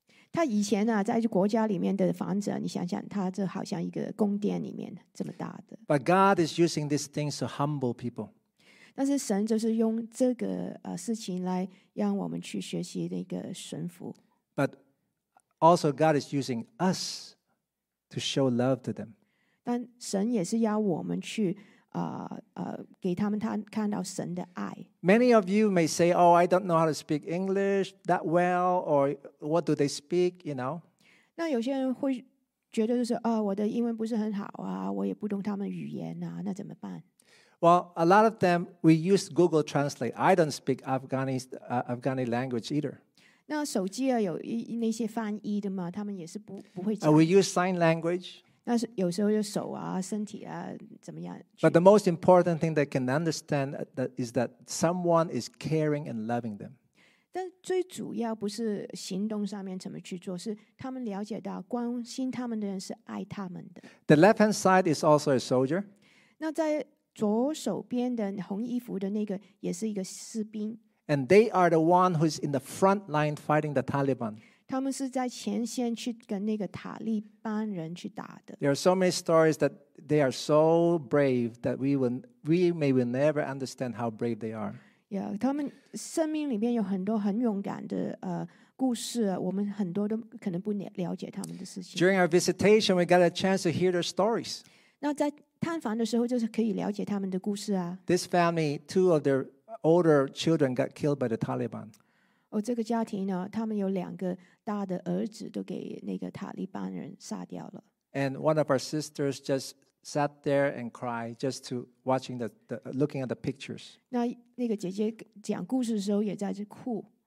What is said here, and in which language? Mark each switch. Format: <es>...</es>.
<zh>他以前在国家里面的房子，你想想，他这好像一个宫殿里面这么大的。</zh> <en>But God is using these things to humble people.</en> <zh>但是神就是用这个事情来让我们去学习那个顺服。</zh> <en>But also God is using us to show love to them.</en> <zh>但神也是要我们去给他们看到神的爱。</zh> <en>Many of you may say, "Oh, I don't know how to speak English that well," or "What do they speak?" You know.</en> <zh>那有些人会觉得就是我的英文不是很好啊，我也不懂他们语言啊，那怎么办</zh> <en>？Well, a lot of them we use Google Translate. I don't speak Afghani language either.</en> <zh>那手机有那些翻译的嘛，他们也是不会讲。</zh> <en>We use sign language.</en> <zh>但是有时候就手啊、身体啊怎么样？</zh> <en>But the most important thing they can understand is that someone is caring and loving them.</en> <zh>但最主要不是行动上面怎么去做，是他们了解到关心他们的人是爱他们的。</zh> <en>The left hand side is also a soldier.</en> <zh>那在左手边的红衣服的那个也是一个士兵。</zh> <en>And they are the one who's in the front line fighting the Taliban.</en> <zh>他们是在前线去跟那个塔利班人去打的。</zh> <en>There are so many stories that they are so brave that we will never understand how brave they are.</en> <zh>Yeah, 他们生命里面有很多很勇敢的故事，我们很多都可能不了解他们的事情。</zh> <en>During our visitation, we got a chance to hear their stories.</en> <zh>那在探访的时候，就是可以了解他们的故事啊。</zh> <en>This family, two of their older children got killed by the Taliban.</en> <zh>哦，这个家庭呢，他们有两个大的儿子都给那个塔利班人杀掉了。</zh> <en>And one of our sisters just sat there and cried, just to watching the looking at the pictures.</en> <zh>那个姐姐讲故事的时候也在这哭。</zh>